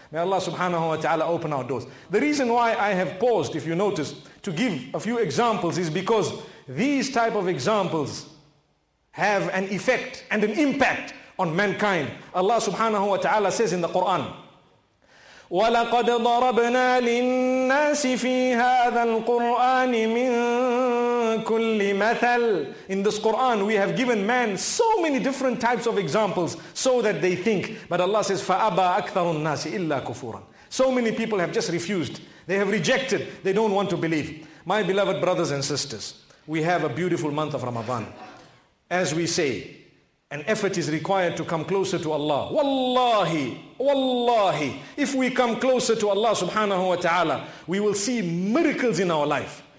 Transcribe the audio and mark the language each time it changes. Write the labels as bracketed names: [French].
[English] May Allah subhanahu wa ta'ala open our doors. The reason why I have paused, if you notice, to give a few examples is because these type of examples have an effect and an impact on mankind. Allah subhanahu wa ta'ala says in the Quran, [Arabic] وَلَقَدْ ضَرَبْنَا لِلنَّاسِ فِي هَذَا الْقُرْآنِ مِنْ كُلِّ مَثَلٍ. [English] In this Quran, we have given man so many different types of examples so that they think. But Allah says, [Arabic] فَأَبَى أَكْثَرُ النَّاسِ إِلَّا كُفُورًا. [English] So many people have just refused. They have rejected. They don't want to believe. My beloved brothers and sisters, we have a beautiful month of Ramadan. As we say, an effort is required to come closer to Allah. Wallahi, wallahi, if we come closer to Allah subhanahu wa ta'ala, we will see miracles in our life.